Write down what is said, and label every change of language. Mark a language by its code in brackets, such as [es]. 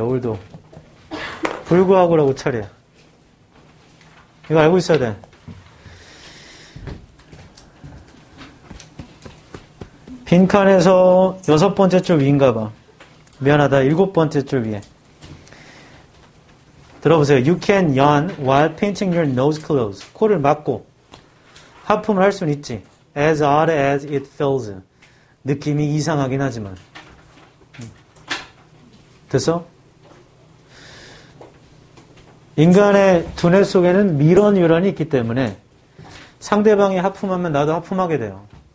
[ko] 어우도 불구하고라고 처리해. 이거 알고 있어야 돼. 빈칸에서 여섯 번째 줄 위인가 봐. 미안하다. 일곱 번째 줄 위에. 들어보세요. [en] You can yawn while pinching your nose closed. [ko] 코를 막고 하품을 할 수는 있지. [en] As odd as it feels. [ko] 느낌이 이상하긴 하지만. 됐어? 인간의 두뇌 속에는 미러 뉴런이 있기 때문에 상대방이 하품하면 나도 하품하게 돼요.